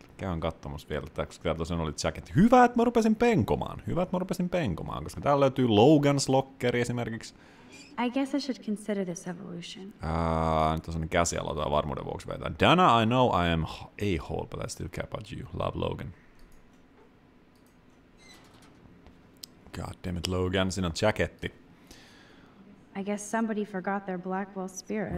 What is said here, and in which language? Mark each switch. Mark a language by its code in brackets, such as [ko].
[fi] Käyn katsomassa vielä, että täällä tosiaan oli jacket. Hyvä, että mä rupesin penkomaan. Hyvä, että mä rupesin penkomaan, koska täällä löytyy Logan's Locker esimerkiksi. [en] I guess I should consider this evolution. [fi] Nyt on semmonen käsiala, tää varmuuden vuoksi vetää. [en] Dana, I know I am a-hole, but I still care about you. Love, Logan. God damn it, [fi] Logan, siinä on jacketti. [en] I guess somebody forgot their Blackwell spirit.